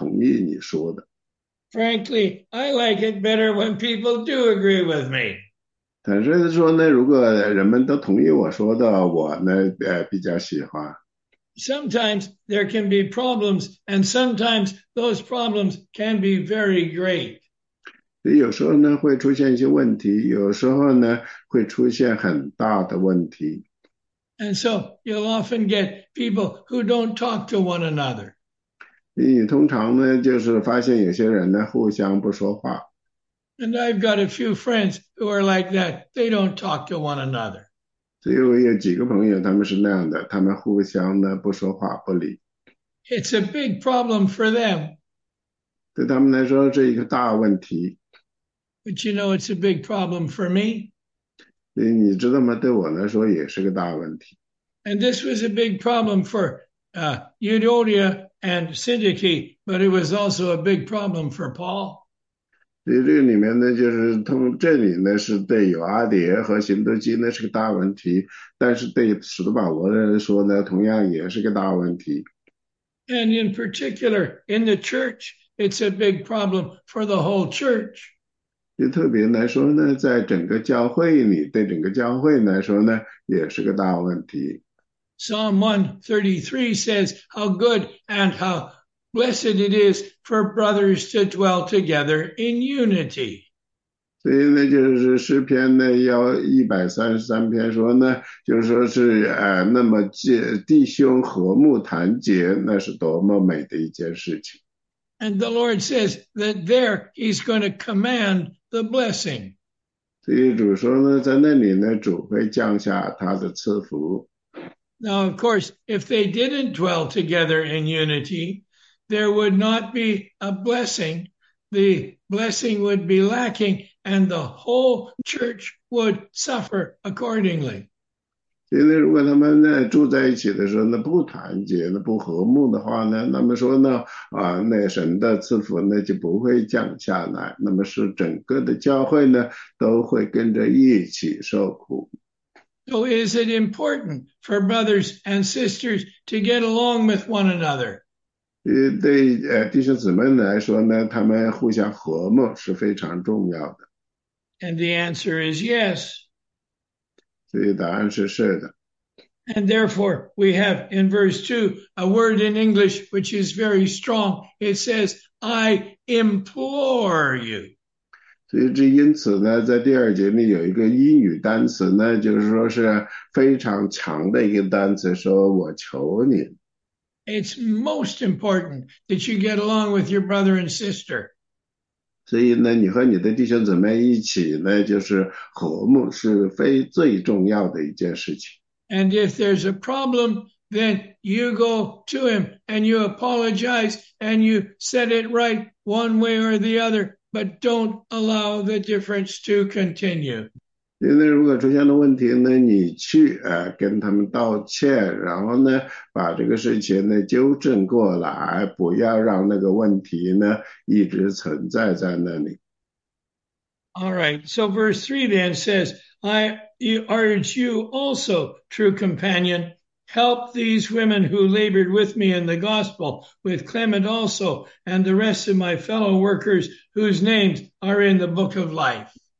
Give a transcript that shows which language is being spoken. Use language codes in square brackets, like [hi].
[zh] 所以其中一个基督徒人生的一个问题是呢，你周围的人呢，通常呢并不总是同意你说的。 [en] Frankly, I like it better when people do agree with me. [zh] 坦率地说呢，如果人们都同意我说的，我呢比较喜欢。 [en] sometimes there can be problems, and sometimes those problems can be very great. [zh] 有时候呢会出现一些问题，有时候呢会出现很大的问题。 [en] And so you'll often get people who don't talk to one another. [zh] 你通常呢就是发现有些人呢互相不说话。 [en] And I've got a few friends who are like that. They don't talk to one another. [zh] 所以我有几个朋友他们是那样的，他们互相呢不说话不理。 [en] It's a big problem for them. [zh] 对他们来说这一个大问题。 [en] But you know, it's a big problem for me. [zh] 你知道吗？对我来说也是个大问题。 [en] And this was a big problem for Eudoxia and Syntyche, but it was also a big problem for Paul. [zh] 所以这个里面呢，就是通这里呢是对有阿蝶和行都基呢是个大问题，但是对使徒保罗来说呢，同样也是个大问题。 [en] And in particular, in the church, it's a big problem for the whole church. [zh] 就特别来说呢，在整个教会里，对整个教会来说呢，也是个大问题。 [en] Psalm 133 says, how good and how blessed it is for brothers to dwell together in unity. [zh] 所以呢，就是诗篇呢，要133篇说呢，就是说是那么弟兄和睦团结，那是多么美的一件事情。 [en] And the Lord says that there he's going to command the blessing. [zh] 所以主说呢，在那里呢，主会降下他的赐福。 [en] Now, of course, if they didn't dwell together in unity, there would not be a blessing. The blessing would be lacking, and the whole church would suffer accordingly. [zh] 因为如果他们呢住在一起的时候呢不团结呢不和睦的话呢，那么说呢那神的赐福呢就不会降下来，那么是整个的教会呢都会跟着一起受苦。 [en] So is it important for brothers and sisters to get along with one another? [zh] 对弟兄姊妹来说呢，他们互相和睦是非常重要的。 [en] And the answer is yes. [zh] 所以答案是是的。 [en] And therefore, we have in verse 2 a word in English which is very strong. It says, I implore you. [zh] 所以这因此呢，在第二节里有一个英语单词呢，就是说是非常强的一个单词，说我求你。 [en] It's most important that you get along with your brother and sister. [zh] 所以呢，你和你的弟兄姊妹一起呢，就是和睦是非最重要的一件事情。 [en] And if there's a problem, then you go to him and you apologize and you set it right one way or the other, but don't allow the difference to continue. [zh] 因为如果出现了问题呢，你去跟他们道歉，然后呢把这个事情呢纠正过来，不要让那个问题呢一直存在在那里。 [en] All right, so verse 3 then says, I urge you also, true companion, help these women who labored with me in the gospel, with Clement also, and the rest of my fellow workers whose names are in the book of life.